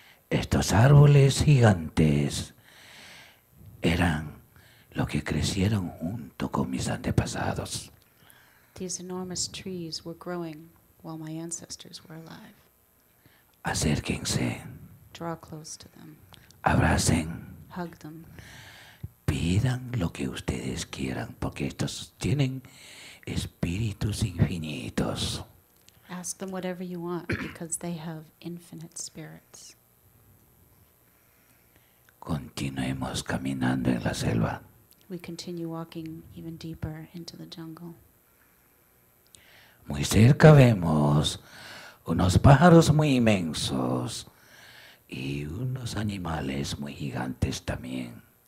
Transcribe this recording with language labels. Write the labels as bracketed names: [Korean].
[Spanish] Estos árboles gigantes eran lo que crecieron junto con mis antepasados. [English] These enormous trees were growing while my ancestors were alive. [Spanish] Acérquense. [English] Draw close to them. [Spanish] Abracen. [English] Hug them. [Spanish] Pidan lo que ustedes quieran, porque estos tienen espíritus infinitos. [English] Ask them whatever you want, because they have infinite spirits. [Spanish] Continuemos caminando en la selva. [English] We continue walking even deeper into the jungle. [Spanish] Muy cerca vemos unos pájaros muy inmensos y unos animales muy gigantes también.